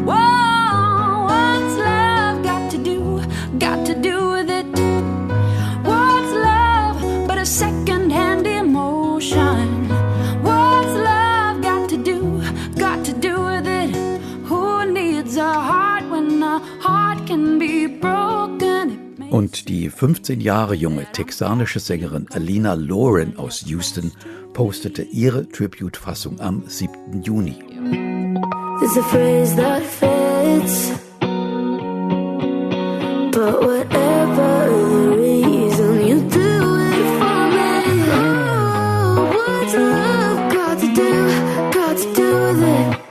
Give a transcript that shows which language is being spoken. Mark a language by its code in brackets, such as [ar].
[en] Whoa, what's love got to do with it? What's love but a second-hand emotion? What's love got to do with it? Who needs a heart when a heart can be broken? [de] Und die 15 Jahre junge texanische Sängerin Alina Loren aus Houston postete ihre Tribute-Fassung am 7. Juni. [en] There's a phrase that fits, but whatever the reason you do it for me. Oh, what's love got to do with it?